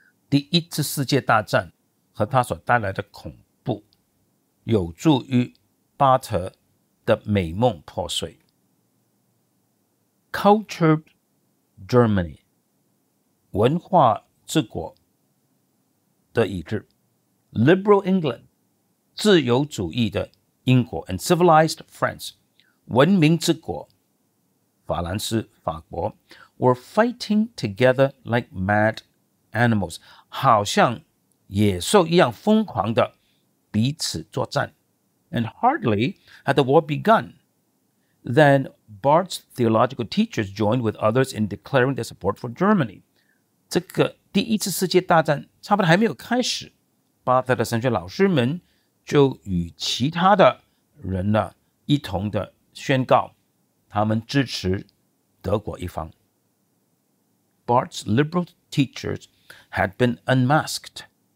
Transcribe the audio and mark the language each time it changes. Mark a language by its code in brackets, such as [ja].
[zh] 第一次世界大战和他所带来的恐怖有助于巴特的美梦破碎。 [en] Cultured Germany, [zh] 文化治国的意志 [en] Liberal England, [zh] 自由主义的英国 [en] and civilized France, [zh] 文明治国法兰斯法国 [en] were fighting together like mad animals, [zh] 好像野兽一样疯狂的彼此作战 [en] and hardly had the war begun,Then Barth's theological teachers joined with others in declaring their support for Germany. [zh] 这个第一次世界大战差不多还没有开始，巴特的神学老师们就与其他的人呢一同的宣告，他们支持德国一方。 [en] Barth's liberal teachers had been unmasked.